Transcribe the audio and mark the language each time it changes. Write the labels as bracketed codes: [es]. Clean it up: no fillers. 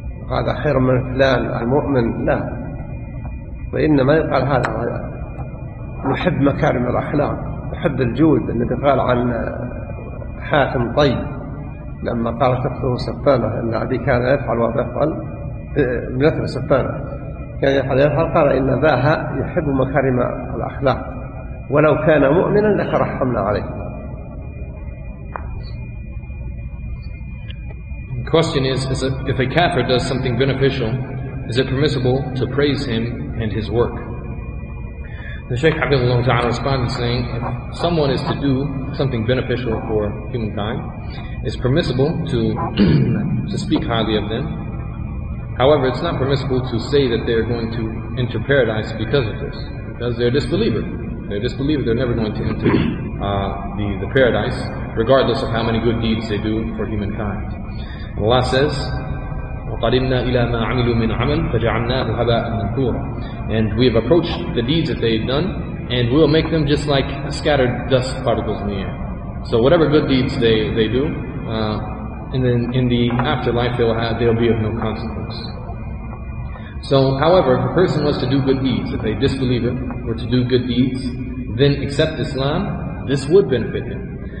[ar] هذا خير من فلان المؤمن لا وإنما يقال هذا يحب مكارم الأخلاق يحب الجود الذي قال عن حاتم طيب لما قال تقتله سفانة أن العبيد كان يفعل ويفعل مثل سفانة كان يفعل قال إن ذاها يحب مكارم الأخلاق ولو كان مؤمنا لترحمنا عليه. [en] The question is if a kafir does something beneficial, is it permissible to praise him and his work? The Shaykh Hafidhullah Ta'ala responded saying, if someone is to do something beneficial for humankind, it's permissible to to speak highly of them. However, it's not permissible to say that they're going to enter paradise because of this, because they're a disbeliever. They're a disbeliever, they're never going to enter the paradise, regardless of how many good deeds they do for humankind. Allah says, [ar] وَقَدِمْنَا إِلَى مَا عَمِلُوا مِنْ عَمَلٍ فَجَعَلْنَاهُ هَبَاءً مَنْثُورًا. [en] And we have approached the deeds that they've done, and we'll make them just like scattered dust particles in the air. So whatever good deeds they do, and then in the afterlife they'll be of no consequence. So, however, if a person was to do good deeds, if a disbeliever were to do good deeds, then accept Islam, this would benefit him.